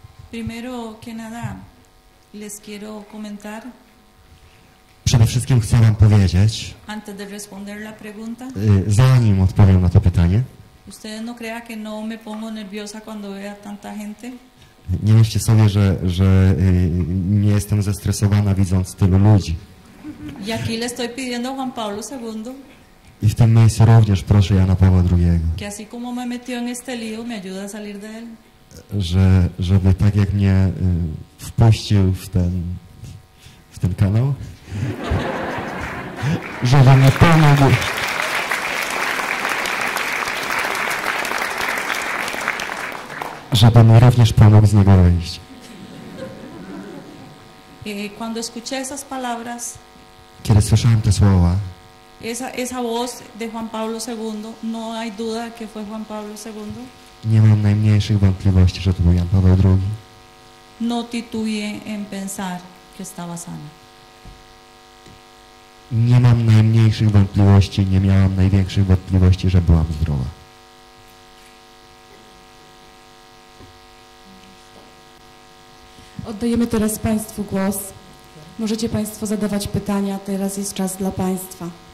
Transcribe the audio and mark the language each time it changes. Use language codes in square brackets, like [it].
[es] Primero que nada, les quiero comentar. [pl] Przede wszystkim chcę wam powiedzieć. [es] Antes de responder la pregunta. [pl] Zanim odpowiem na to pytanie. [es] Ustedes no crean que no me pongo nerviosa cuando veo tanta gente. [pl] Nie myślcie sobie, że nie jestem zestresowana widząc tylu ludzi. [es] Y aquí le estoy pidiendo a Juan Pablo II. [pl] I w tym miejscu również proszę Jana Pawła II. [es] Que así como me metió en este lío, me ayuda a salir de él. [pl] Żeby tak jak mnie wpuścił w ten kanał, żeby mnie pomógł, żeby mi również pomógł z niego wyjść. [es] Cuando escuché esas palabras, [pl] kiedy słyszałem te słowa, [es] esa voz de Juan Pablo II, no hay duda que fue Juan Pablo II. [pl] Nie mam najmniejszych wątpliwości, że to był Jan Paweł II. [es] No titubeé en pensar que estaba sano. [pl] Nie mam najmniejszych wątpliwości, nie miałam największych wątpliwości, że byłam zdrowa. Oddajemy teraz Państwu głos. Możecie Państwo zadawać pytania, teraz jest czas dla Państwa.